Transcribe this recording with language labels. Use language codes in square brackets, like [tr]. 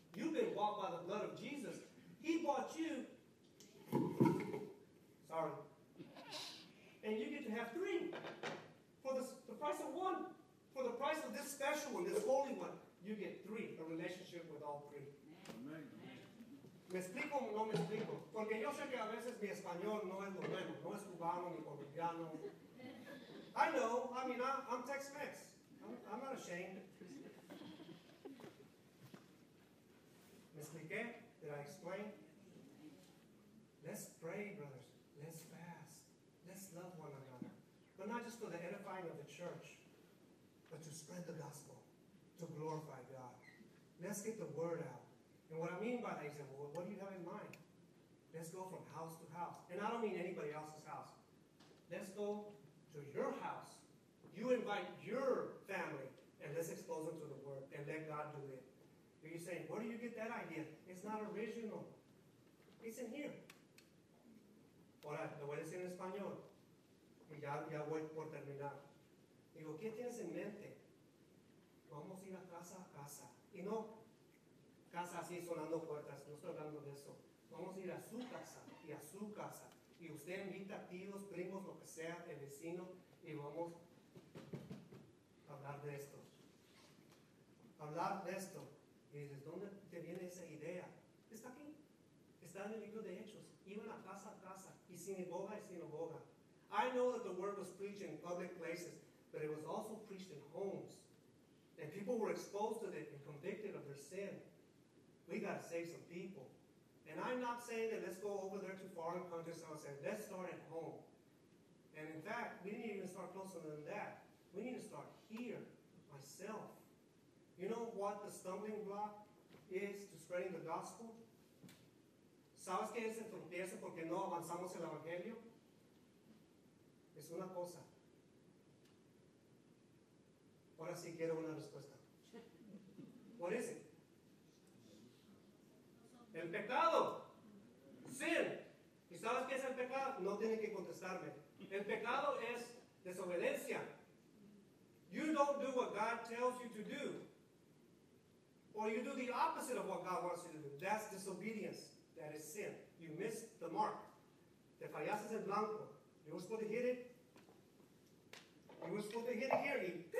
[en] You've been bought by the blood of Jesus. He bought you. Sorry. And you get to have three. For the price of one, for the price of this special one, this holy one, you get three, a relationship with all three. Amen. [es] ¿Me explico o no me explico? Porque yo sé que a veces mi español no es lo bueno, no es cubano ni colombiano. [en] I know, I mean, I'm Tex-Mex. I'm not ashamed. [es] ¿Me expliqué? [en] Did I explain? Let's pray, brothers. Let's fast. Let's love one another. But not just for the edifying of the church, but to spread the gospel, to glorify God. Let's get the word out. And what I mean by that example, what do you have in mind? Let's go from house to house. And I don't mean anybody else's house. Let's go to your house. You invite your family, and let's expose them to the word, and let God do it. But you're saying, where do you get that idea? It's not original. It's in here. [es] Ahora, lo voy a decir en español. Y ya voy por terminar. Digo, ¿qué tienes en mente? Vamos a ir a casa. Y no casa así sonando puertas, no estoy hablando de eso. Vamos a ir a su casa y a su casa. Y usted invita a tíos, primos, lo que sea, el vecino, y vamos a hablar de esto. Hablar de esto. Y dices, ¿dónde te viene esa idea? Está aquí. Está en el libro de Hechos. Iban a casa, y sinagoga y sinagoga. [en] I know that the word was preached in public places, but it was also preached in homes. And people were exposed to it and convicted of their sin. We got to save some people. And I'm not saying that let's go over there to foreign countries and say, let's start at home. And in fact, we need to even start closer than that. We need to start here, myself. You know what the stumbling block is to spreading the gospel? [es] ¿Sabes qué es el tropiezo porque no avanzamos el evangelio? Es una cosa. Ahora sí quiero una respuesta. [en] What is it? [es] El pecado. Sin. ¿Y sabes qué es el pecado? No tiene que contestarme. El pecado es desobediencia. [en] You don't do what God tells you to do. Or you do the opposite of what God wants you to do. That's disobedience. That is sin. You miss the mark. [es] Te fallaste el blanco. [en] You were supposed to hit it. You were supposed to hit it here.